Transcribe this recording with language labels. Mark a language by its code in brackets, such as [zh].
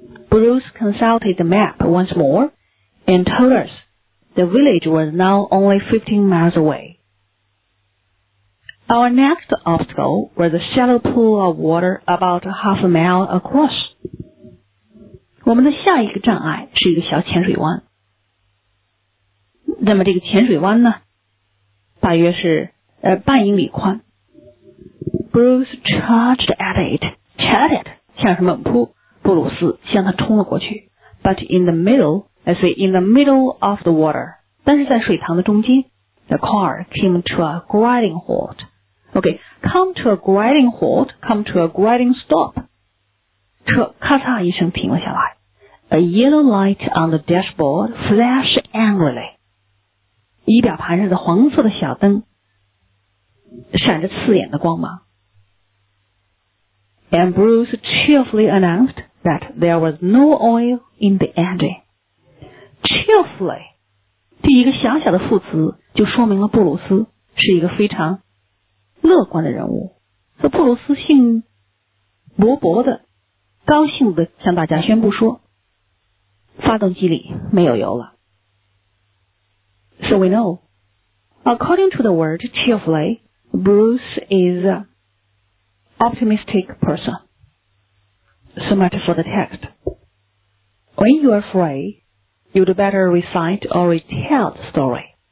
[en] Bruce consulted the map once more and told us the village was now only 15 miles away. Our next obstacle was a shallow pool of water about half a mile across. [zh] 我们的下一个障碍是一个小浅水湾。那么这个浅水湾呢，大约是半英里宽。 [en] Bruce charged at it. [zh] Charged, 像是猛扑，布鲁斯向他冲了过去。 [en] But in the middle, let's say in the middle of the water, [zh] 但是在水塘的中间 [en] the car came to a grinding halt. Okay, come to a grinding halt, come to a grinding stop. [zh] 车咔嚓一声停了下来。 [en] A yellow light on the dashboard flashed angrily. [zh] 仪表盘上的黄色的小灯闪着刺眼的光芒。 [en] And Bruce cheerfully announced that there was no oil in the engine. [zh] Cheerfully, 第一个小小的副词就说明了布鲁斯是一个非常乐观的人物。所以布鲁斯兴勃勃的、高兴的向大家宣布说，发动机里没有油了。 [en] So we know, according to the word cheerfully, Bruce is. Optimistic person. So much for the text. When you are free, you'd better recite or retell the story.